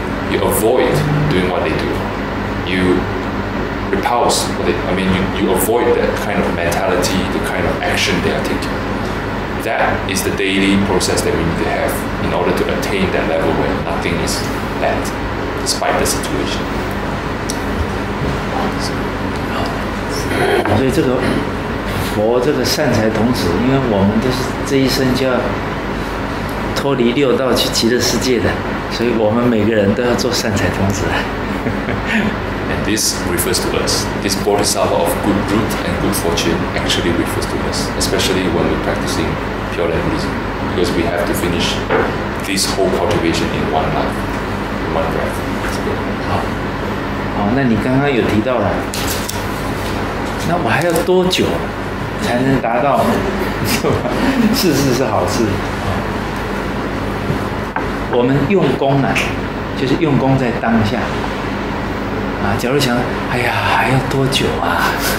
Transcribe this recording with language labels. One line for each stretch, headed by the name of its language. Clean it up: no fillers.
English: You avoid doing what they do. You repulse what they, I mean, you avoid that kind of mentality, the kind of action they are taking. That is the daily process that we need to have in order to attain that level where nothing is bad, despite the situation.
Chinese: 所以这个佛这个善财童子，因为我们都是这一生就要脱离六道去极乐世界的，所以我们每个人都要做善财童子。
English: And this refers to us. This bodhisattva of good root and good fortune actually refers to us, especially when we're practicing pure land Buddhism, because we have to finish this whole cultivation in one life, one breath.
Chinese: 好，那你刚刚有提到了。那我还要多久才能达到？事事是好事。我们用功呢，就是用功在当下。啊，假如想，哎呀，还要多久啊？